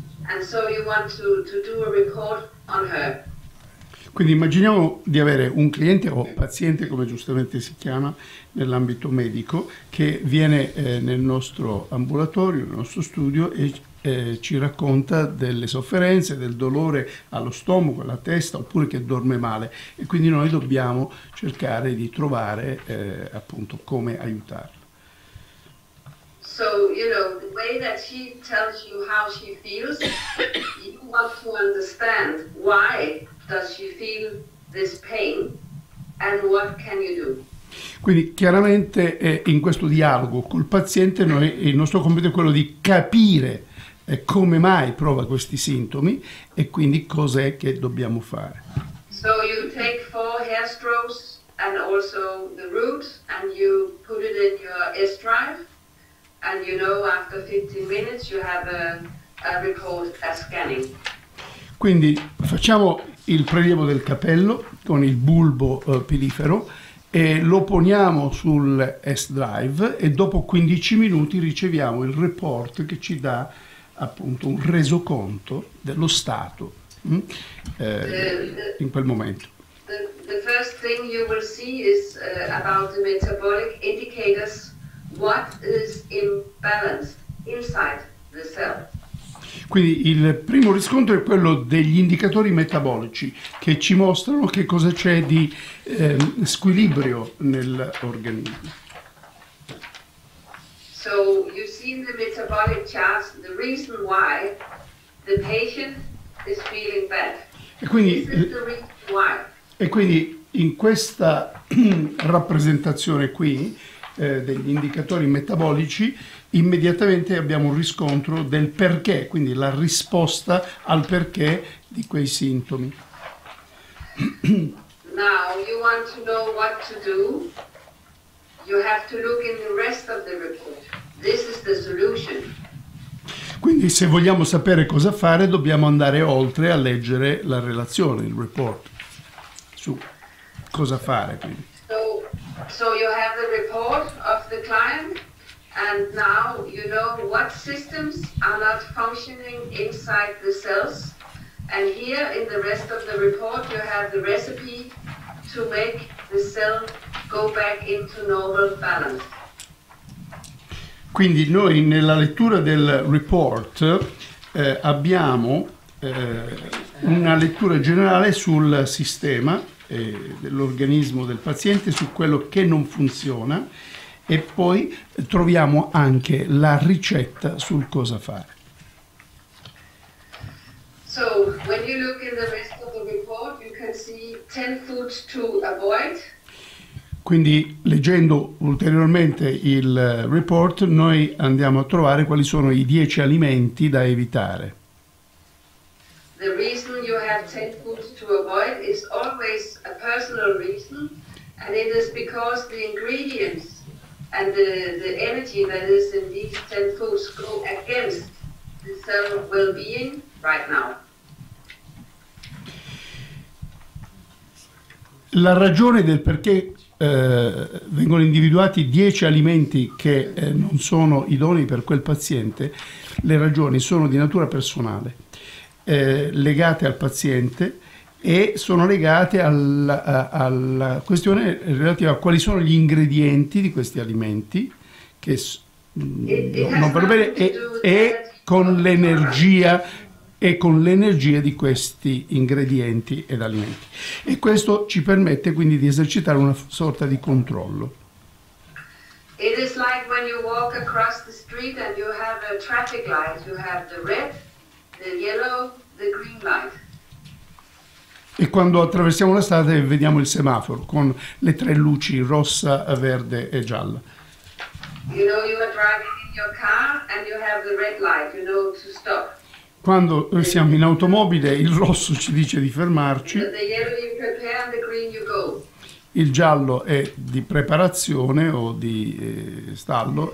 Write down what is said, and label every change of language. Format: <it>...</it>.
<en>And so you want to do a report on her.</en> <it>Quindi immaginiamo di avere un cliente o paziente, come giustamente si chiama nell'ambito medico, che viene nel nostro ambulatorio, nel nostro studio e ci racconta delle sofferenze, del dolore allo stomaco, alla testa, oppure che dorme male, e quindi noi dobbiamo cercare di trovare appunto come aiutarlo.</it> <en>So, you know, the way that she tells you how she feels, you want to understand why does she feel this pain and what can you do?</en> <it>Quindi chiaramente in questo dialogo col paziente noi, il nostro compito è quello di capire come mai prova questi sintomi e quindi cos'è che dobbiamo fare.</it> <en>So you take 4 hair strokes and also the roots and you put it in your S-drive. And you know after 15 minutes you have a report, a scanning.</en> <it>Quindi facciamo il prelievo del capello con il bulbo pilifero e lo poniamo sul S-Drive e dopo 15 minuti riceviamo il report che ci dà appunto un resoconto dello stato in quel momento.</it> <en>The first thing you will see is about the metabolic indicators. What is imbalanced inside the cell?</en> <it>Quindi il primo riscontro è quello degli indicatori metabolici che ci mostrano che cosa c'è di squilibrio nell'organismo.</it> <en>So you see in the metabolic charts the reason why the patient is feeling bad.</en> <it>E quindi,</it> <en>this is the reason why.</en> <it>E quindi in questa rappresentazione qui degli indicatori metabolici immediatamente abbiamo un riscontro del perché, quindi la risposta al perché di quei sintomi.</it> <en>Now you want to know what to do, you have to look in the rest of the report. This is the solution.</en> <it>Quindi se vogliamo sapere cosa fare dobbiamo andare oltre a leggere la relazione, il report su cosa fare. Quindi</it> <en>So you have the report of the client and now you know what systems are not functioning inside the cells, and here in the rest of the report you have the recipe to make the cell go back into normal balance.</en> <it>Quindi noi nella lettura del report abbiamo una lettura generale sul sistema dell'organismo del paziente, su quello che non funziona, e poi troviamo anche la ricetta sul cosa fare.</it> <en>So when you look in the rest of the report you can see 10 foods to avoid.</en> <it>Quindi leggendo ulteriormente il report noi andiamo a trovare quali sono i 10 alimenti da evitare.</it> <en>The reason you have 10 foods to avoid is always a personal reason, and it is because the ingredients and the energy that is in these 10 foods go against the cell well-being right now.</en> <it>La ragione del perché vengono individuati 10 alimenti che non sono idonei per quel paziente, le ragioni sono di natura personale. Legate al paziente e sono legate alla questione relativa a quali sono gli ingredienti di questi alimenti che non vorrei bene, e con l'energia e con l'energia di questi ingredienti ed alimenti. E questo ci permette quindi di esercitare una sorta di controllo.</it> <en>It is like when you walk across the street and you have a traffic light. You have the red, the yellow, the green light.</en> <it>E quando attraversiamo la strada e vediamo il semaforo con le tre luci, rossa, verde e gialla.</it> <en>You know you are driving in your car and you have the red light, you know to stop.</en> <it>Quando siamo in automobile il rosso ci dice di fermarci.</it> <en>The yellow you prepare and the green you go.</en> <it>Il giallo è di preparazione o di stallo.</it>